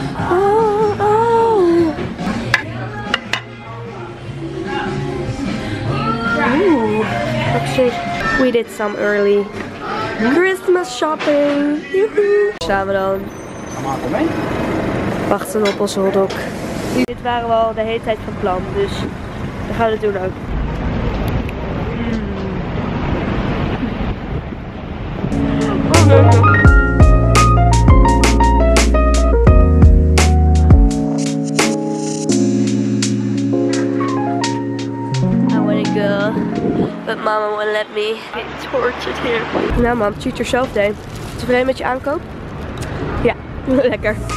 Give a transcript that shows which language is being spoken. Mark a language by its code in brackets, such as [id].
[en] Oh. Actually, we did some early Christmas shopping. [nl] Joehoe. Staan we dan. Wachten op onze hotdog. Dit waren we al de hele tijd van plan, dus we gaan het doen ook. [en] I want to go, but mama won't let me. I'm tortured here. [nl] Nou mam, [en] treat yourself day. [nl] Tevreden met je aankoop? Ja, lekker.